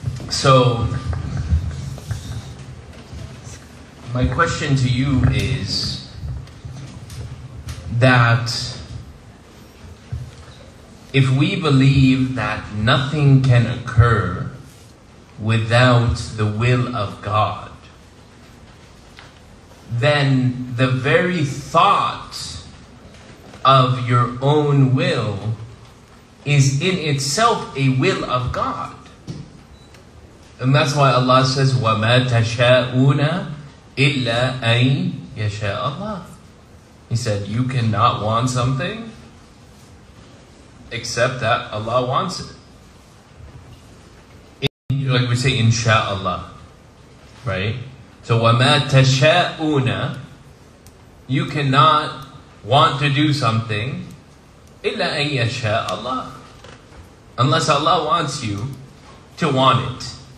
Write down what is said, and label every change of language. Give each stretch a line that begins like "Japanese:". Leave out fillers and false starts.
English: So my question to you is that if we believe that nothing can occur without the will of God, then the very thought of your own will is in itself a will of God. And that's why Allah says,
Arabic: وَمَا تَشَاءُونَ إِلَّا أَن يَشَاءَ اللَّهُ.
English: He said, you cannot want something except that Allah wants it. Like we say, inshallah, right? So,
Arabic: وَمَا تَشَاءُونَ,
English: you cannot want to do something
Arabic: إِلَّا أَن يَشَاءَ اللَّهُ,
English: unless Allah wants you to want it.